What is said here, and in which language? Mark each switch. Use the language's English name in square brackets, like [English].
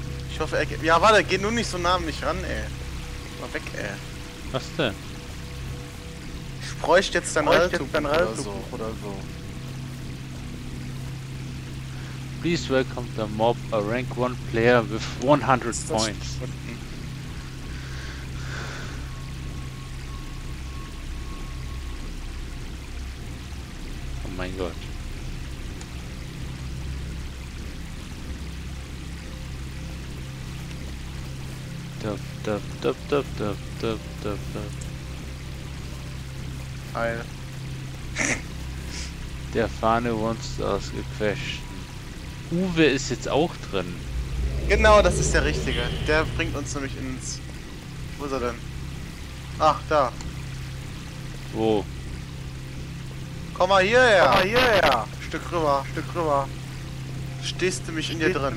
[German] Ich hoffe, er geht. Ja, warte, geh nur nicht so nah an mich ran, ey. Mal weg, ey. Was denn? Ich bräuchte jetzt dein Reisebuch oder so. [English] Please welcome the mob, a rank 1 player with 100 points. [German] Oh mein Gott. Dup. Hi. [English] Der Fahne wants to ask a question. [German] Uwe ist jetzt auch drin. Genau, das ist der Richtige. Der bringt uns nämlich ins... Wo ist er denn? Ach, da. Wo? Komm mal hierher. Komm mal hierher. Stück rüber, Stück rüber. Stehst du mich in dir drin?